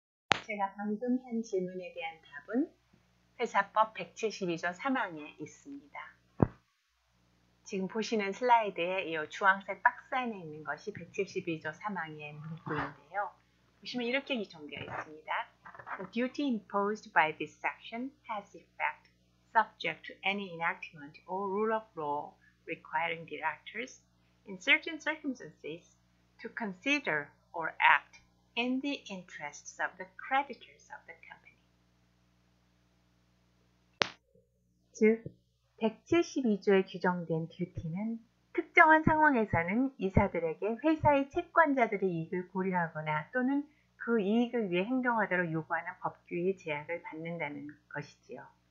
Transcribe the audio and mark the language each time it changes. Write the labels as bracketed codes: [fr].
[ko] 제가 방금 한 질문에 대한 답은 회사법 172조 3항에 있습니다. 지금 보시는 슬라이드에 이 주황색 박스 안에 있는 것이 172조 3항의 문구인데요. 보시면 이렇게 규정되어 있습니다. [en] The duty imposed by this section has effect subject to any enactment or rule of law requiring directors in certain circumstances to consider or act in the interests of the creditors of the company. [ko] 즉, 172조에 규정된 duty는 특정한 상황에서는 이사들에게 회사의 채권자들의 이익을 고려하거나 또는 그 이익을 위해 행동하도록 요구하는 법규의 제약을 받는다는 것이지요.